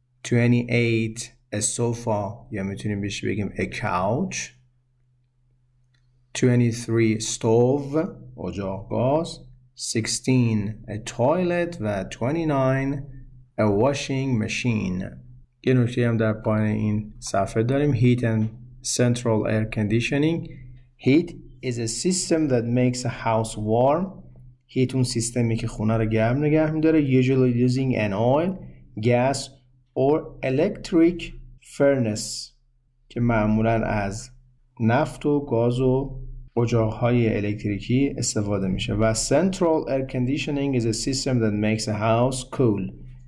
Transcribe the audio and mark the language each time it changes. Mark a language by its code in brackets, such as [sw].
[fa] 28 a sofa یا میتونیم بهش بگیم a couch. 23 stove اجاق گاز. [en] 16 a toilet و 29 a washing machine. [fa] یه نکته هم در پایین این صفحه داریم. [en] Heat and central air conditioning. Heat is a system that makes a house warm. [fa] Heat اون سیستمی که خونه رو گرم نگه می‌داره. [en] Usually using an oil, gas or electric furnace [fa] که معمولا از نفت و گاز و اجاق‌های الکتریکی استفاده میشه. و [en] central air conditioning is a system that makes a house cool.